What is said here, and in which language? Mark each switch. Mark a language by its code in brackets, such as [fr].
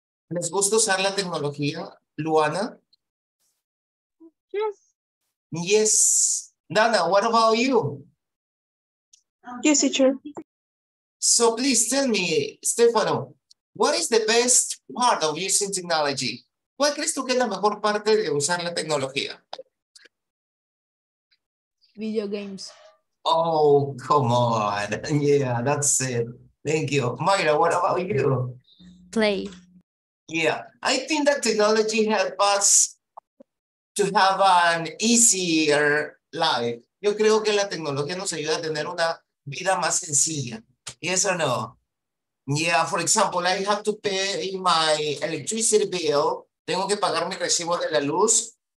[es] ¿Les gusta usar la tecnología, Luana? [en] Yes. Nana, what about you? Yes, teacher. So please tell me, Stefano, what is the best part of using technology? [es] ¿Cuál crees tú que es la mejor parte de usar la tecnología? [en] Video games. Oh, come on. Yeah, that's it. Thank you. Mayra, what about you? Play. Yeah, I think that technology helps us to have an easier life. [es] Yo creo que la tecnología nos ayuda a tener una vida más sencilla. [en] Yes or no? Yeah, for example, I have to pay my electricity bill. [es] Tengo que pagar mi recibo de la luz.